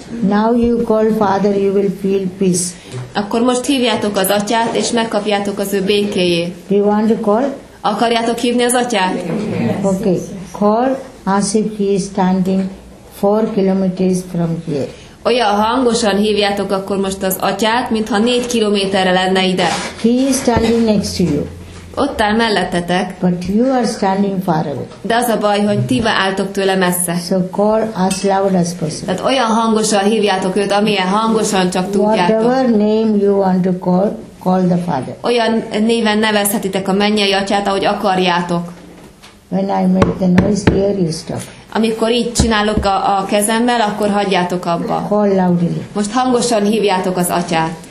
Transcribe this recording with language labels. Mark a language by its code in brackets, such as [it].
[en] Now you call father, you will feel peace. [hu] Akkor most hívjátok az atyát, és megkapjátok az ő békéjét. [en] Do you want to call? [hu] Akarjátok hívni az atyát? [en] Yes. Okay. Call as if he is standing 4 kilometers from here. [hu] Olyan hangosan hívjátok akkor most az atyát, mintha 4 kilométerre lenne ide. [en] He is standing next to you. [hu] Ott áll mellettetek. [en] But you are standing far away. [hu] De az a baj, hogy ti álltok tőle messze. [en] So call as loud as possible. [hu] Tehát olyan hangosan hívjátok őt, amilyen hangosan csak tudjátok. [en] Whatever name you want to call, call the father. [hu] Olyan néven nevezhetitek a mennyei atyát, ahogy akarjátok. [en] When I make the noise here, you stop. [hu] Amikor így csinálok a kezemmel, akkor hagyjátok abba. [en] Call loudly. [hu] Most hangosan hívjátok az atyát.